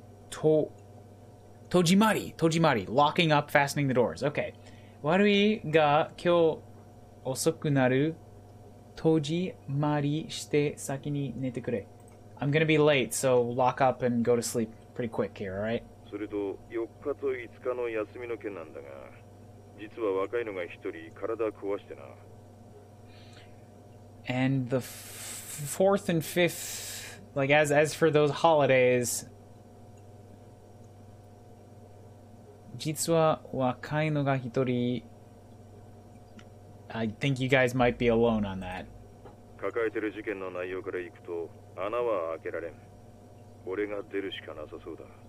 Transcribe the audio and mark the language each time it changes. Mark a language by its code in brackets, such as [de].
[en] Tojimari, Tojimari, locking up, fastening the doors. Okay. [ja] Warui ga kyou osoku naru, Tojimari shite saki ni nete kure. [en] I'm gonna be late, so lock up and go to sleep pretty quick here, alright? [ja] Sore to 4日と5日の休みの件なんだが、実は若いのが一人体壊してな。 [en] And the fourth and fifth, like as for those holidays, [ja] 実は若いのが一人。 [en] I think you guys might be alone on that. [ja] 抱えてる事件の内容からいくと穴は開けられん。俺が出るしかなさそうだ。